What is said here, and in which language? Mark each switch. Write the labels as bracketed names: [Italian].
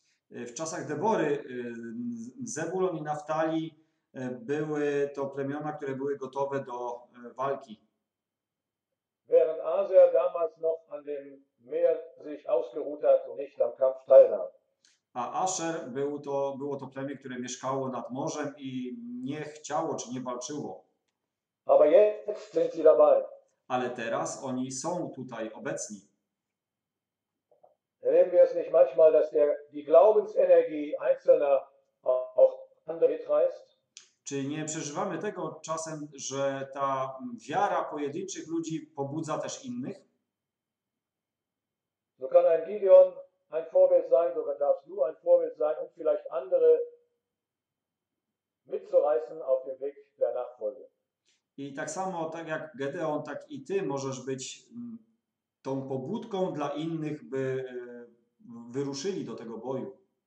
[Polish] w czasach Debory Zebulon i Naftali były to plemiona, które były gotowe do walki. [German] Während Aser damals noch an dem Meer sich ausgeruht hat und nicht am Kampf teilnahm. [Polish] A Aser było to plemię, które mieszkało nad morzem i nie chciało czy nie walczyło. [German] Aber jetzt sind sie dabei. [Polish] Ale teraz oni są tutaj obecni. [German] Erleben wir es nicht manchmal, dass die Glaubensenergie Einzelner auch andere treibt? [Polish] Czy nie przeżywamy tego czasem, że ta wiara pojedynczych ludzi pobudza też innych? [German] So kann ein Gideon ein Vorbild sein, so darfst du ein Vorbild sein, um vielleicht andere mitzureißen auf dem Weg der Nachfolge. [Polish] I tak samo, tak jak Gedeon, tak i ty możesz być tą pobudką dla innych, by wyruszyli do tego boju.